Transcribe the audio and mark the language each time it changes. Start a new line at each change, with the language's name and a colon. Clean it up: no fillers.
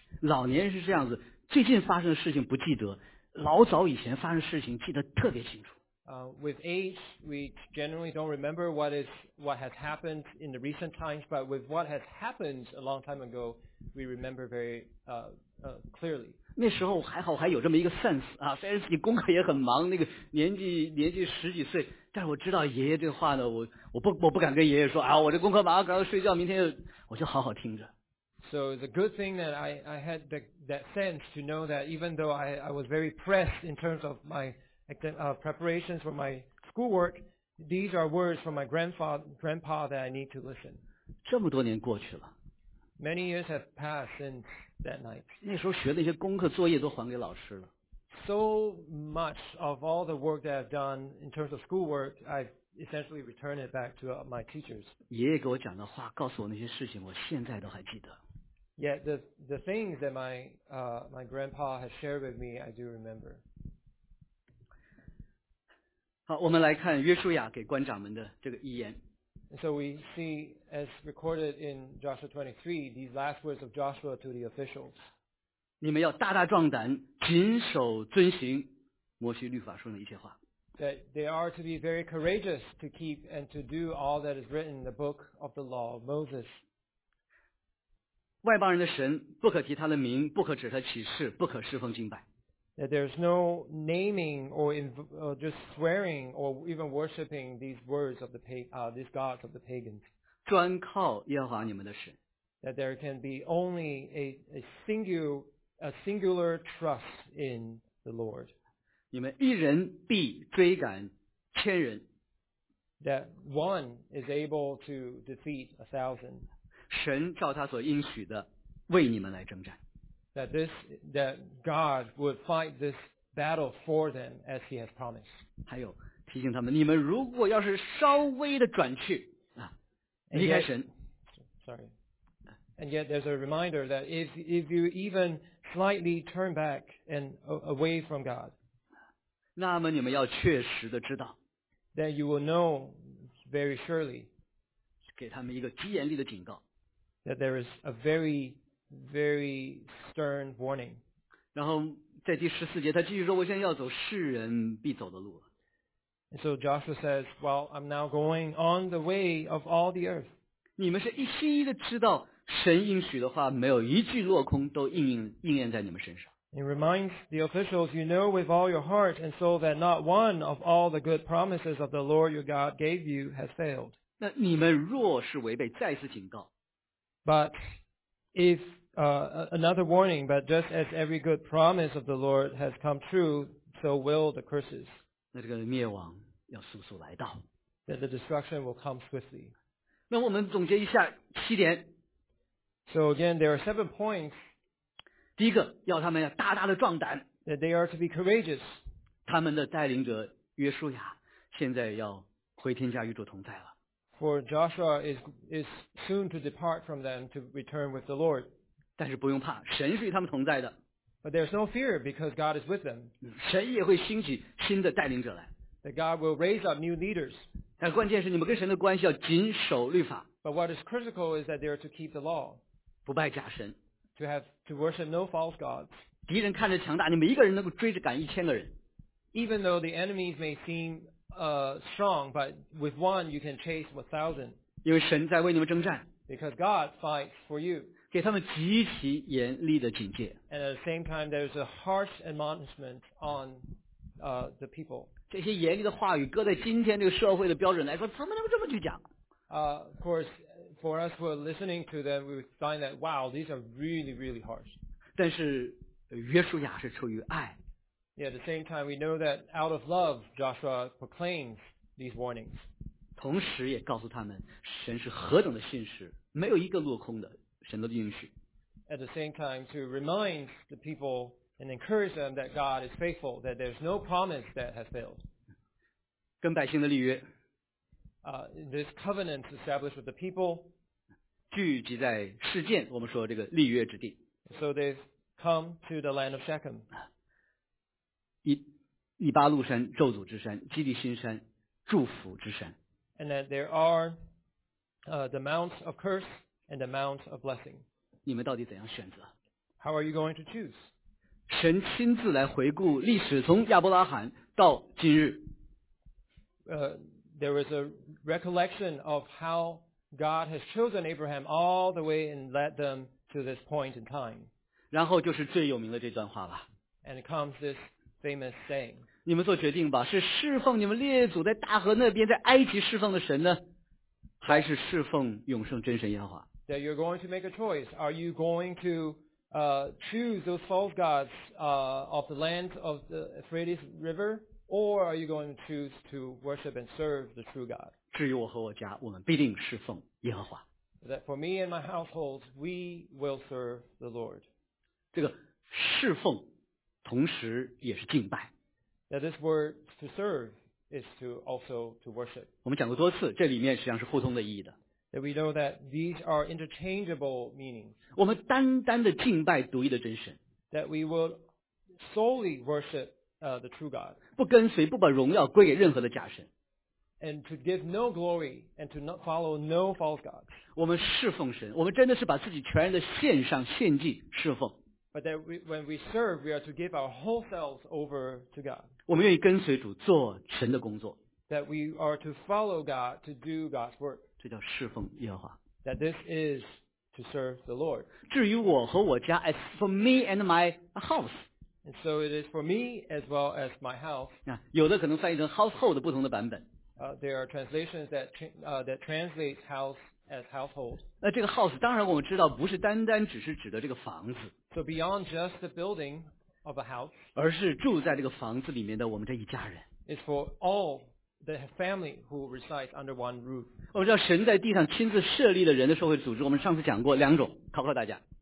Chinese: 老年人是这样子，最近发生的事情不记得，老早以前发生的事情记得特别清楚。
English: With age, we generally don't remember what has happened in the recent times, but with what has happened a long time ago, we remember very clearly.
Chinese: 那时候还好还有这么一个 sense 啊，虽然自己功课也很忙，那个年纪十几岁，但是我知道爷爷这话呢，我不敢跟爷爷说啊，我这功课忙，赶快睡觉，明天我就好好听着。
English: So it's a good thing that I had that sense to know that even though I was very pressed in terms of my preparations for my schoolwork, these are words from my grandpa that I need to listen.
Chinese: 这么多年过去了。
English: Many years have passed since that night.
Chinese: 那时候学的一些功课作业都还给老师了。
English: So much of all the work that I've done in terms of schoolwork, I've essentially returned it back to my teachers.
Chinese: 爷爷给我讲的话，告诉我那些事情，我现在都还记得。
English: Yet the things that my grandpa has shared with me, I do remember.
Chinese: 好，我们来看约书亚给官长们的这个遗言。
English: So we see, as recorded in Joshua 23, these last words of Joshua to the officials.
Chinese: 你们要大大壮胆，谨守遵行摩西律法书的一切话。
English: That they are to be very courageous to keep and to do all that is written in the book of the law of Moses.
Chinese: 外邦人的神不可提他的名，不可指他起誓，不可侍奉敬拜。
English: That there's no naming or just swearing or even worshiping these words of the these gods of the pagans.
Chinese: 专靠耶和华你们的神。
English: That there can be only a singular trust in the Lord.
Chinese: 你们一人必追赶千人。
English: That one is able to defeat 1,000.
Chinese: 神照他所应许的为你们来征战。
English: That God would fight this battle for them as he has promised.
Chinese: 还有提醒他们，你们如果要是稍微的转去啊，离开神。
English: Sorry. And yet there's a reminder that if you even slightly turn back and away from God,
Chinese: 那么你们要确实的知道。
English: That you will know very surely.
Chinese: 给他们一个极严厉的警告。
English: That there is a very, very stern warning.
Chinese: 然后在第十四节他继续说，我现在要走世人必走的路。
English: And so Joshua says, well, I'm now going on the way of all the earth.
Chinese: 你们是一心一意的知道神应许的话没有一句落空，都应验在你们身上。
English: It reminds the officials, you know with all your heart and soul that not one of all the good promises of the Lord your God gave you has failed.
Chinese: 那你们若是违背，再次警告。
English: But if another warning, but just as every good promise of the Lord has come true, so will the curses.
Chinese: 那这个灭亡要速速来到。
English: That the destruction will come swiftly.
Chinese: 那我们总结一下七点。
English: So again, there are 7 points.
Chinese: 第一个，要他们要大大的壮胆。
English: That they are to be courageous.
Chinese: 他们的带领者约书亚现在要回天家与主同在了。
English: For Joshua is soon to depart from them to return with the Lord.
Chinese: 但是不用怕，神是与他们同在的。
English: But there's no fear because God is with them.
Chinese: 神也会兴起新的带领者来。
English: That God will raise up new leaders.
Chinese: 但关键是你们跟神的关系要谨守律法。
English: But what is critical is that they are to keep the law.
Chinese: 不拜假神。
English: To worship no false gods.
Chinese: 敌人看着强大，你们一个人能够追着赶一千个人。
English: Even though the enemies may seem strong, but with one you can chase 1,000.
Chinese: 因为神在为你们征战。
English: Because God fights for you.
Chinese: 给他们极其严厉的警戒。
English: And at the same time, there is a harsh admonishment on the people.
Chinese: 这些严厉的话语搁在今天这个社会的标准来说，怎么能这么去讲？
English: Of course, for us who are listening to them, we find that wow, these are really, really harsh.
Chinese: 但是约书亚是出于爱。
English: Yeah, at the same time, we know that out of love, Joshua proclaims these warnings.
Chinese: 同时也告诉他们，神是何等的信实，没有一个落空的。
English: At the same time, to remind the people and encourage them that God is faithful, that there's no promise that has failed.
Chinese: 跟百姓的立约。
English: This covenant established with the people.
Chinese: 聚集在示剑，我们说这个立约之地。
English: So they've come to the land of Shechem.
Chinese: 以巴路山，咒诅之山，基利心山，祝福之山。
English: And that there are the mount of curse. And the mount of blessing.
Chinese: 你们到底怎样选择？
English: How are you going to choose?
Chinese: 神亲自来回顾历史，从亚伯拉罕到今日。
English: There is a recollection of how God has chosen Abraham all the way and led them to this point in time.
Chinese: 然后就是最有名的这段话了。
English: And it comes this famous saying.
Chinese: 你们做决定吧，是侍奉你们列祖在大河那边，在埃及侍奉的神呢？还是侍奉永生真神耶和华。
English: That you're going to make a choice. Are you going to choose those false gods of the land of the Euphrates River, or are you going to choose to worship and serve the true God?
Chinese: 至于我和我家，我们必定侍奉耶和华。
English: That for me and my household, we will serve the Lord.
Chinese: 这个侍奉，同时也是敬拜。
English: That this word to serve. Is to also to worship.
Chinese: 我们讲过多次，这里面实际上是互通的意义的。
English: That we know that these are interchangeable meanings.
Chinese: 我们单单的敬拜独一的真神。
English: That we will solely worship the true God.
Chinese: 不跟随，不把荣耀归给任何的假神。
English: And to give no glory and to not follow no false gods.
Chinese: 我们侍奉神，我们真的是把自己全然的献上献祭侍奉。
English: But that when we serve, we are to give our whole selves over to God.
Chinese: 我们愿意跟随主做神的工作。
English: That we are to follow God to do God's work.
Chinese: 这叫侍奉耶和华。
English: That this is to serve the Lord.
Chinese: 至于我和我家
English: ，as for me and my house. And so it is for me as well as my house.
Chinese: 有的可能翻译成 household 的不同的版本。
English: There are translations that translate house as household.
Chinese: 那这个 house 当然我们知道不是单单只是指的这个房子。
English: So beyond just the building of a house.
Chinese: 而是住在这个房子里面的我们这一家人。
English: It's for all the family who reside under one roof.
Chinese: 我们知道神在地上亲自设立了人的社会组织，我们上次讲过两种，考考大家。